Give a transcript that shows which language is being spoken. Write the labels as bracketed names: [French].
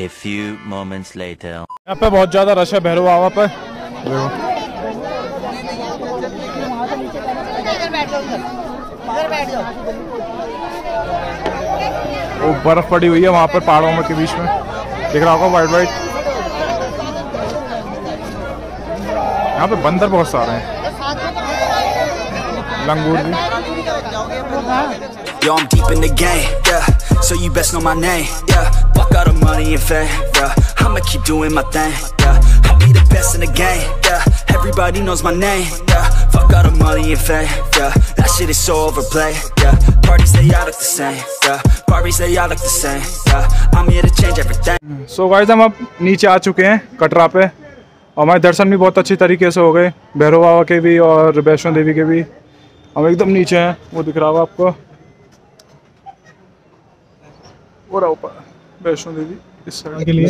[English] A few moments later, [Hindi] यहाँ पे बहुत ज़्यादा रश है भैरव बाबा पे, देखो वो बर्फ पड़ी हुई है वहाँ पर पहाड़ों में के बीच में, दिख रहा होगा वाइट वाइट। यहाँ पे बंदर बहुत सारे हैं, लंगूर भी। [English] Yo, I'm deep in the game, yeah. So you best know my name, yeah. Fuck all the money and fame, yeah. I'ma keep doing my thing, yeah. I'll be the best in the game, yeah. Everybody knows my name, yeah. Fuck all the money and fame, yeah. That shit is so overplayed, yeah. Parties they all look the same, yeah. Parties they all look the same, yeah. I'm here to change everything. So guys, [Hindi] हम अब नीचे आ चुके हैं कटरा पे, और हमारे दर्शन भी बहुत अच्छी तरीके से हो गए, भैरव बाबा के भी और वैष्णो देवी के भी। हम एकदम नीचे हैं, वो दिख रहा होगा आपको, वैष्णो देवी।